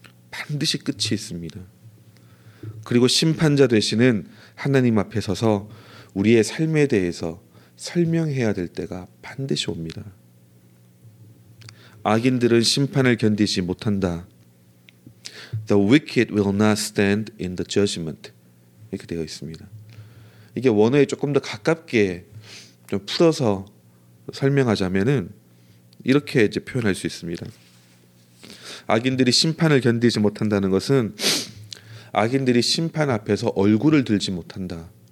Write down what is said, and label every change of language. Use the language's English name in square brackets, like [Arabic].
[Korean] 반드시 끝이 있습니다. 그리고 심판자 되시는 하나님 앞에 서서 우리의 삶에 대해서 설명해야 될 때가 반드시 옵니다. 악인들은 심판을 견디지 못한다. [English] The wicked will not stand in the judgment. [Korean] 이렇게 되어 있습니다. 이게 원어에 조금 더 가깝게 좀 풀어서 설명하자면은 이렇게 이제 표현할 수 있습니다. 악인들이 심판을 견디지 못한다는 것은 악인들이 심판 앞에서 얼굴을 들지 못한다.